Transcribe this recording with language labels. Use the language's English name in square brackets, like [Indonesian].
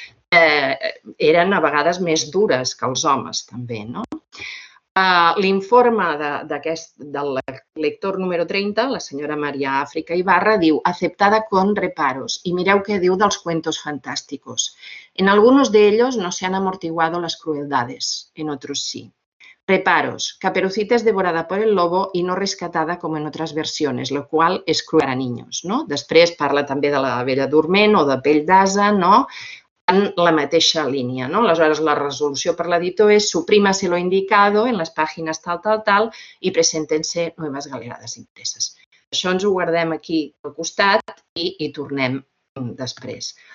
[Catalan] Eren a vegades més dures que els homes, també, no? L'informe del lector número 30, la senyora Maria Àfrica Ibarra, diu [Spanish] «Aceptada con reparos». [Catalan] I mireu què diu dels cuentos fantásticos. [Spanish] «En algunos de ellos no se han amortiguado las crueldades, en otros sí». Reparos. Caperucita es devorada por el lobo y no rescatada como en otras versiones, lo cual es cruel a niños, ¿no? [Catalan] Després parla també de la Bella Dorment o de Pell d'Asa, ¿no? En la mateixa línia, ¿no? Aleshores, la resolució per l'editor és [Spanish] suprímase lo indicado [Catalan] en les pàgines tal, tal, tal i [Spanish] presentense nuevas galerades impreses. [Catalan] Això ens ho guardem aquí al costat i hi tornem després.